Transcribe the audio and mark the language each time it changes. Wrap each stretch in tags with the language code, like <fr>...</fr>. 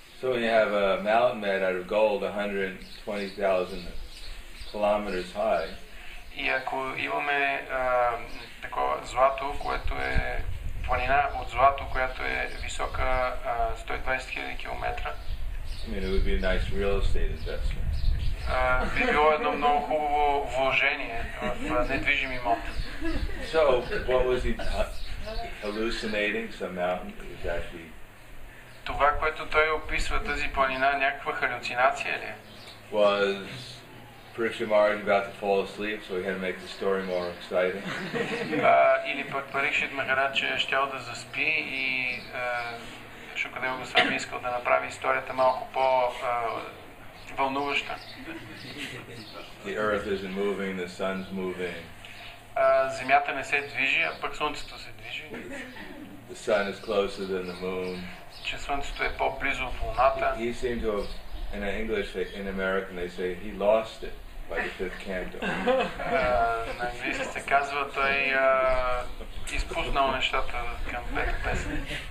<en>So when you have a mountain made out of gold 120,000 kilometers high.</en> <bg>И ако имаме такова злато, което е планина от злато, която е висока 120 000 км.</bg> <en>I mean, it would be a nice real estate investment.</en> <bg>Би било едно много хубаво вложение в недвижим имот.</bg> <en>So, what was he hallucinating? Some mountain is actually...</en> <bg>Това, което той описва тази планина, някаква халюцинация ли?</bg> <en>Was Parikshit Maharaj about to fall asleep, so he had to make the story more exciting.</en> <bg>Или пък Парикшит Махарадж щял да заспи и Шукадева Госвами искал да направи историята малко по вълнуваща.</bg> <en>The earth isn't moving, the sun's moving.</en> <bg>Земята не се движи, а пък слънцето се движи.</bg> <en>The sun is closer than the moon.</en> <bg>Че слънцето е по-близо от луната.</bg> <en>He seemed to have, in English, in American, they say he lost it by the fifth canto.</en> <bg>На английски се казва, той изпуснал нещата към пета песен.</bg>